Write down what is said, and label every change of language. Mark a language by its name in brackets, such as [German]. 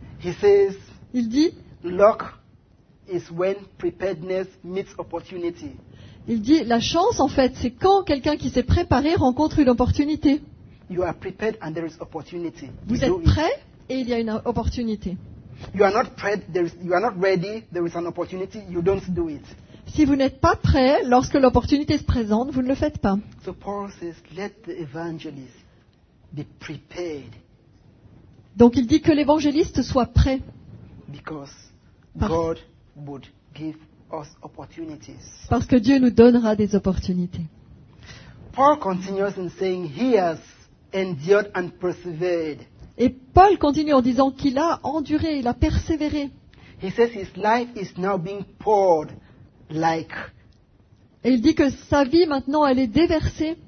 [English] He says, [French] il dit, [English] luck is when preparedness meets opportunity. [French] Il dit, la chance en fait, c'est quand quelqu'un qui s'est préparé rencontre une opportunité. [English] You are prepared and there is opportunity. [French] Vous êtes prêt et il y a une opportunité. [English] You are not ready, there is an opportunity, you don't do it. [French] Si vous n'êtes pas prêt, lorsque l'opportunité se présente, vous ne le faites pas. [English] So Paul says, let the evangelist be prepared. [French] Donc il dit que l'évangéliste soit prêt. [English] Because God would give us opportunities. [French] Parce que Dieu nous donnera des opportunités. [English] Paul continues in saying he has endured and persevered. [French] Et Paul continue en disant qu'il a enduré, il a persévéré. [English] He says his life is now being poured. Like, [French] et il dit que sa vie maintenant elle est déversée